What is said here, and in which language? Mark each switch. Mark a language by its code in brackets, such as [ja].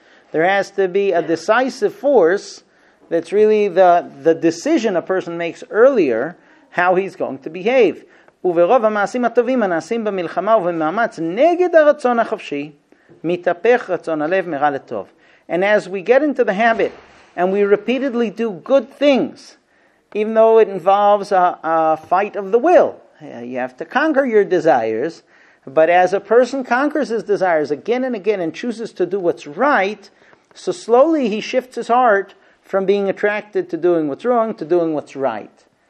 [en] There has to be a decisive force that's really the decision a person makes earlier how he's going to behave. [he] וברוב המעשים הטובים הנעשים במלחמה ובמאמץ נגד הרצון החופשי מתהפך רצון הלב מרע לטוב. [en] And as we get into the habit and we repeatedly do good things, even though it involves a fight of the will, you have to conquer your desires, but as a person conquers his desires again and again and chooses to do what's right, so slowly he shifts his heart from being attracted to doing what's wrong to doing what's right.